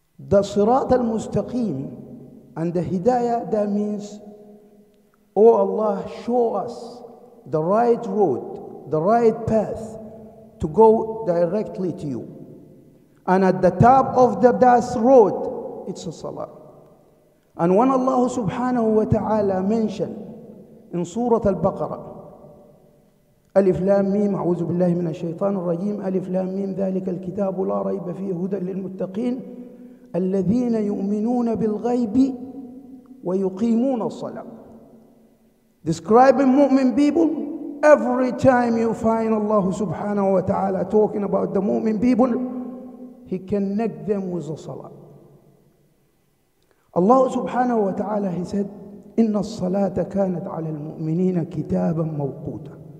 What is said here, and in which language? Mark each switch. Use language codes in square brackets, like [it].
[en] The صراط المستقيم and the hidayah, that means, oh Allah, show us the right road, the right path to go directly to you. And at the top of that road, it's a salah. And when Allah subhanahu wa ta'ala mentioned in Surah Al-Baqarah, [ar] ألف لام ميم، أعوذ بالله من الشيطان الرجيم، ألف لام ميم، ذلك الكتاب لا ريب فيه هدى للمتقين الذين يؤمنون بالغيب وَيُقِيمُونَ الصَّلَاةَ. [en] Describing mu'min people, every time you find Allah subhanahu wa ta'ala talking about the mu'min people, He connect them with the salah. Allah subhanahu wa ta'ala, He said, [ar] إِنَّ الصَّلَاةَ كَانَتْ عَلَى الْمُؤْمِنِينَ كِتَابًا مَوْقُوتًا.